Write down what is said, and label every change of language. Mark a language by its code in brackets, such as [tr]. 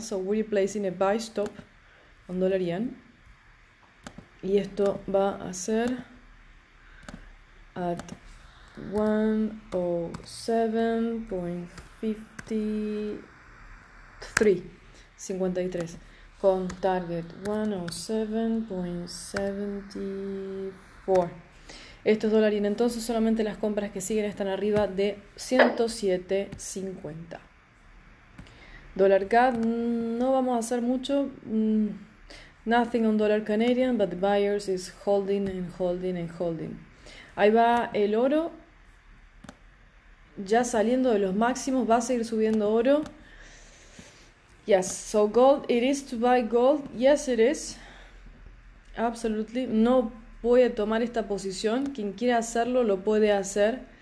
[en] So, we're placing a buy stop [es] con dólar yen. Y esto va a ser at 107.53, 53, con target 107.74. Estos dólar yen, entonces solamente las compras que siguen están arriba de 107.50. Dólar CAD, no vamos a hacer mucho. [en] Nothing on dollar Canadian, but the buyers is holding and holding and holding. [es] Ahí va el oro. Ya saliendo de los máximos, va a seguir subiendo oro. [en] Yes, so gold, it is to buy gold. Yes, it is. Absolutely. [es] No voy a tomar esta posición. Quien quiera hacerlo, lo puede hacer.